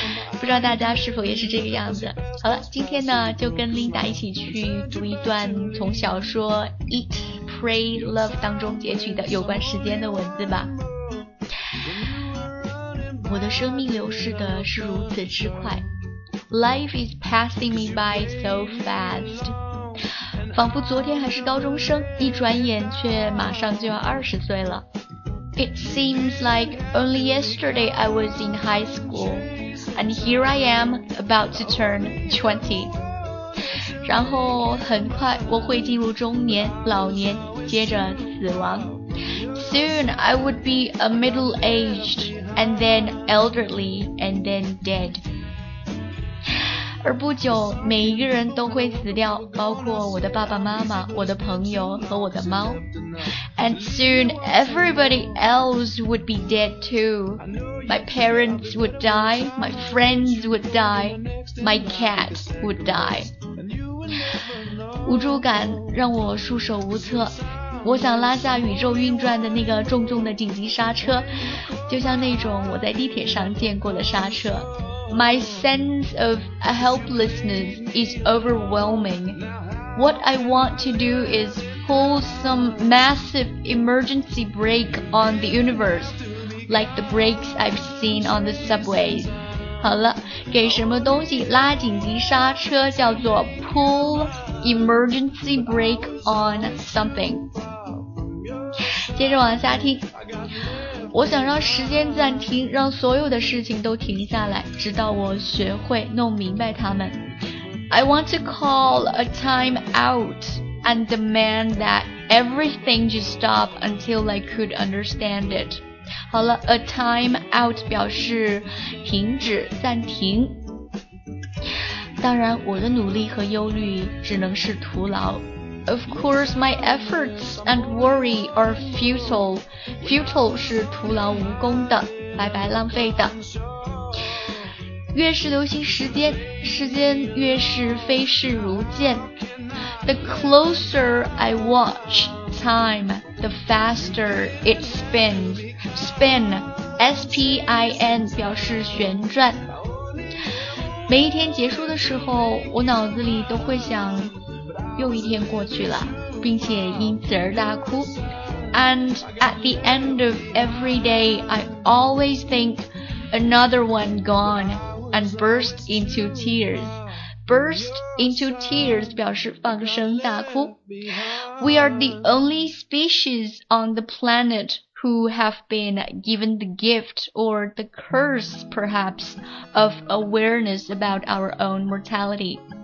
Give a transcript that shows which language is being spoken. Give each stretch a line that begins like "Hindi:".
Chinese: 不知道大家是否也是这个样子。好了，今天呢就跟 Linda 一起去读一段从小说 Eat Pray Love 当中截取的有关时间的文字吧。我的生命流逝的是如此之快，
English: Life is passing me by so fast，
Chinese: 仿佛昨天还是高中生，一转眼却马上就要20岁了。
English: It seems like only yesterday I was in high school and here I am about to turn 20。
Chinese: 然后很快我会进入中年、老年，接着死亡。
English: Soon I would be a middle-agedAnd then elderly, and then dead.
Chinese: 而不久，每一个人都会死掉，包括我的爸爸妈妈、我的朋友和我的猫。
English: And soon everybody else would be dead too. My parents would die, my friends would die, my cat would die.
Chinese: 无助感让我束手无策。我想拉下宇宙运转的那个重重的紧急刹车，就像那种我在地铁上见过的刹车。
English: My sense of helplessness is overwhelming. What I want to do is pull some massive emergency brake on the universe, like the brakes I've seen on the subway.
Chinese: 好了，给什么东西拉紧急刹车叫做
English: pull emergency brake on something。
Chinese: 接着往下听，我想让时间暂停，让所有的事情都停下来，直到我学会弄明白他们。
English: I want to call a time out and demand that everything just stop until I could understand it.
Chinese: 好了， a time out 表示停止、暂停。当然我的努力和忧虑只能是徒劳。
English: Of course, my efforts and worry are futile.
Chinese: Futile 是徒劳无功的，白白浪费的。越是流行时间，时间越是飞逝如箭。
English: The closer I watch time, the faster it spins.
Chinese: Spin, S-P-I-N 表示旋转。每一天结束的时候，我脑子里都会想又一天过去了，并且因此而大哭。
English: And at the end of every day I always think another one gone and burst into tears. Burst into tears
Chinese: 表示放声大哭。
English: We are the only species on the planet who have been given the gift or the curse perhaps of awareness about our own mortality.